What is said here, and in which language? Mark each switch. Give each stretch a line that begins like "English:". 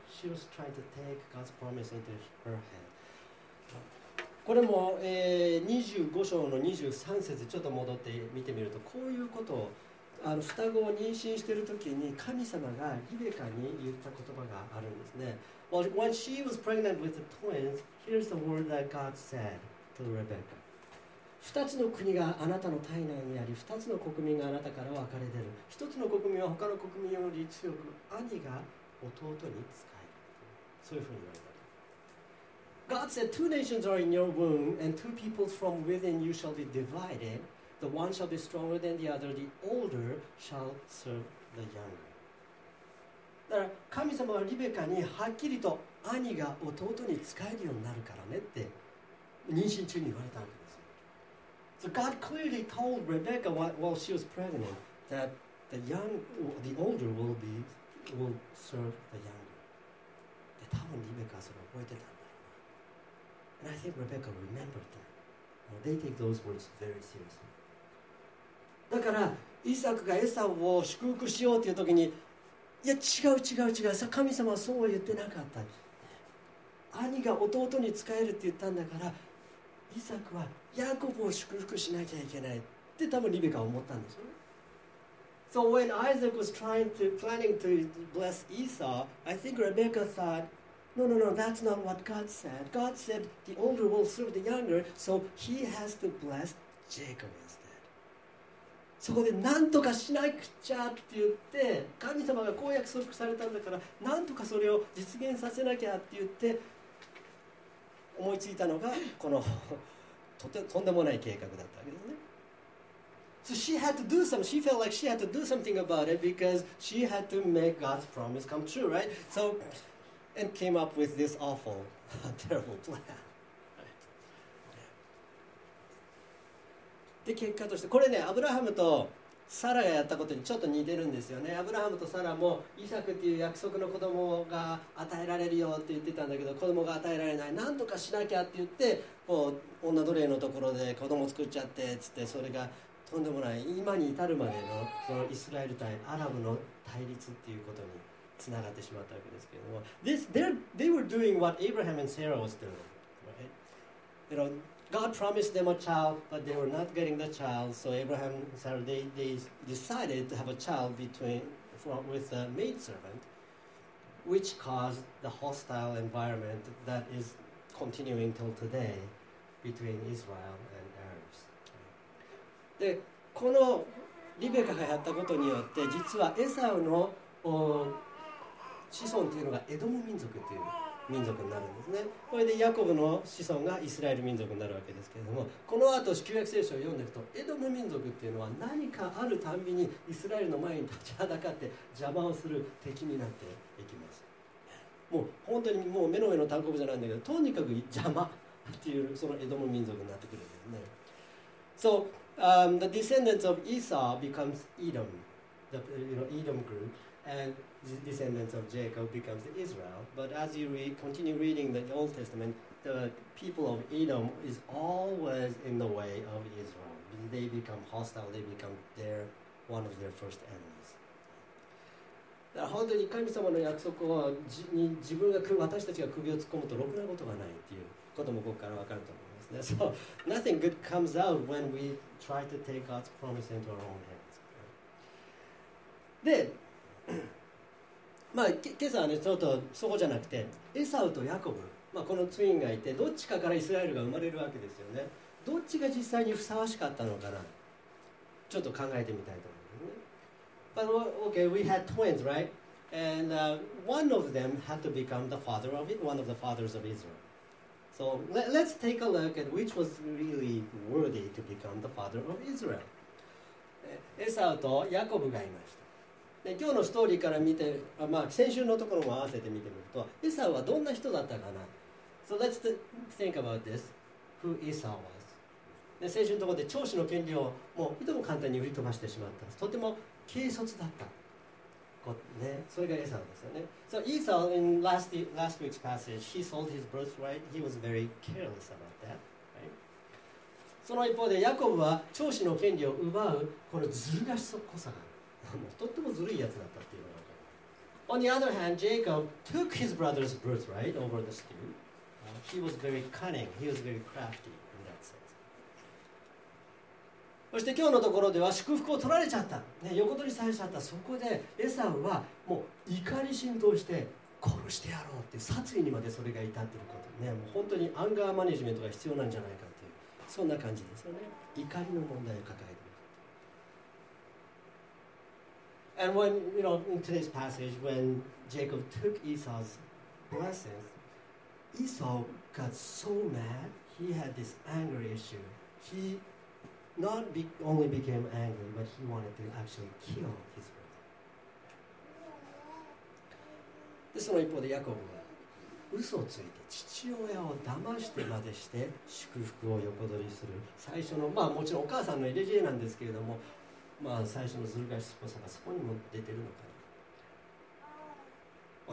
English: She was trying to take God's promise into her hand.
Japanese: これも、25章の23節ちょっと戻って見てみると、こういうことを、あの双子を妊娠しているときに神様がリベカに言った言葉があるんですね。
English: Well, when she was pregnant with the twins, here's the word that God said to Rebecca.
Japanese: 二つの国があなたの体内にあり、二つの国民があなたから分かれ出る。一つの国民は他の国民より強く、兄が弟に仕える。そういうふうに言われた。
English: God said, two nations are in your womb, and two peoples from within you shall be divided. The one shall be stronger than the other. The older shall serve the younger.
Japanese: だから神様はリベカにはっきりと兄が弟に仕えるようになるからねって妊娠中に言われたわけです。
English: So God clearly told Rebecca while she was pregnant that the older will serve the younger.
Japanese: で、多分リベカはそれを覚えてたんだろうな。
English: And I think Rebecca remembered that. Well, they take those words very seriously.
Japanese: だから、イサクがエサウを祝福しようという時に、いや、違う、神様はそうは言ってなかった。兄が弟に仕えるって言ったんだから、イサクはヤコブを祝福しなきゃいけないって多分リベカは思ったんでしょ。
English: So when Isaac was planning to bless Esau, I think Rebecca thought, No, that's not what God said. God said the older will serve the younger, so he has to bless Jacob instead.
Japanese: そこで何とかしなくちゃって言って、神様がこう約束されたんだから、何とかそれを実現させなきゃって言って、思いついたのがこの とんでもない計画だったわけですね。
English: So she had to do some. She felt like she had to do something about it because she had to make God's promise come true, right? So and came up with this awful, terrible plan.
Japanese: で結果としてこれね、アブラハムとサラがやったことにちょっと似てるんですよね。アブラハムとサラもイサクっていう約束の子供が与えられるよって言ってたんだけど、子供が与えられない、なんとかしなきゃって言って、こう女奴隷のところで子供作っちゃってっつって、それがとんでもない、今に至るまで そのイスラエル対アラブの対立っていうことにつながってしまったわけですけれども、
English: They were doing what Abraham and Sarah was doing, right? You knowGod promised them a child, but they were not getting the child. So Abraham and Sarah, they decided to have a child with a maidservant, which caused the hostile environment that is continuing till today between Israel and Arabs.
Japanese: で、このリベカがやったことによって、実はエサウの子孫というのがエドム民族という民族になるんですね。これでヤコブの子孫がイスラエル民族になるわけですけれども、この後旧約聖書を読んでいくと、エドム民族っていうのは何かあるたんびにイスラエルの前に立ちはだかって邪魔をする敵になっていきます。もう本当にもう目の上の大国じゃないんだけど、とにかく邪魔っていうそのエドム民族になってくるんですね。
English: So, the descendants of Esau becomes Edom, Edom group, andthe descendants of Jacob becomes Israel. But as you continue reading the Old Testament, the people of Edom is always in the way of Israel. They become hostile. They become one of their first enemies.
Japanese: だから本当に神様の約束は自分が私たちが首を突っ込むとろくなことがないっていうこともここからわかると思いますね。
English: So nothing good comes out when we try to take God's promise into our own hands.
Japanese: で、まあ、今朝はね、ちょっとそこじゃなくて、エサウとヤコブ、まあ、このツインがいて、どっちかからイスラエルが生まれるわけですよね。どっちが実際にふさわしかったのかな、ちょっと考えてみたいと思います、ね。
English: But okay, we had twins, right? And、one of them had to become the father of it, one of the fathers of Israel. So let's take a look at which was really worthy to become the father of Israel.
Japanese: エサウとヤコブがいました。今日のストーリーから見て、まあ、先週のところも合わせて見てみると、エサウはどんな人だったかな。
English: So let's think about this. Who Esau was.
Japanese: で先週のところで長子の権利をもういとも簡単に売り飛ばしてしまった。とても軽率だった。こうね、それがエサウですよね。
English: So Esau, in last week's passage, he sold his birthright. He was very careless about that.、Right?
Japanese: その一方で、ヤコブは長子の権利を奪うこのずる賢さが。とってもずるいやつだったっていうのが分かる。
English: On the other hand, Jacob took his brother's birthright over the stew. He was very cunning. He was very crafty in that sense.
Japanese: そして今日のところでは祝福を取られちゃった、ね、横取りされちゃった。そこでエサウはもう怒り浸透して殺してやろうっていう殺意にまでそれが至っていること、ね、もう本当にアンガーマネジメントが必要なんじゃないかっていう、そんな感じですよね。怒りの問題を抱えて。
English: And when, you know, in today's passage, when Jacob took Esau's blessings, Esau got so mad, he had this anger issue. He not only became angry, but he wanted to actually kill his brother. This is one of the Jacob.
Japanese: 嘘をついて父親を騙してまでして祝福を横取りする。最初の、まあもちろんお母さんの入れ知恵なんですけれども、まあ、最初のずる賢さがそこにも出てるのかな。